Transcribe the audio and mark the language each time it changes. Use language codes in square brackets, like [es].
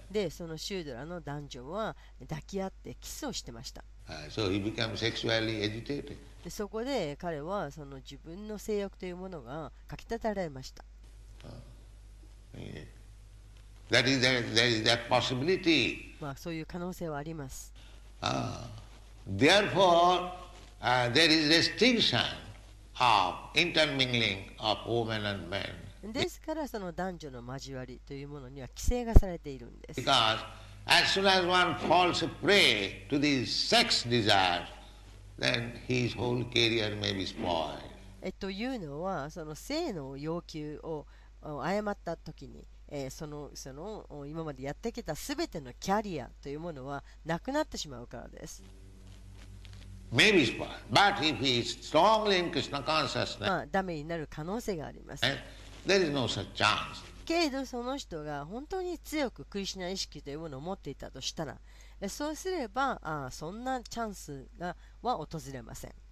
[ja] で、そのシュードラの男女は抱き合ってキスをしてました。 [en] So he became sexually agitated. [ja] で、そこで彼はその自分の性欲というものがかきたてられました。 [en] That is that possibility. [ja] まあ、そういう可能性はあります。 [en] Therefore, there is restriction of intermingling of women and men. [ja] ですからその男女の交わりというものには規制がされているんです。 [en] Because as soon as one falls prey to these sex desires, then his whole career may be spoiled. [ja] というのはその性の要求を誤った時に、その今までやってきた全てのキャリアというものはなくなってしまうからです。 [en] Maybe spoiled. But if he is strongly in Krishna consciousness, [ja] ダメになる可能性があります。 [en] There is no such chance. [ja] けれどその人が本当に強くクリシュナ意識というものを持っていたとしたら、そうすればそんなチャンスがは訪れません。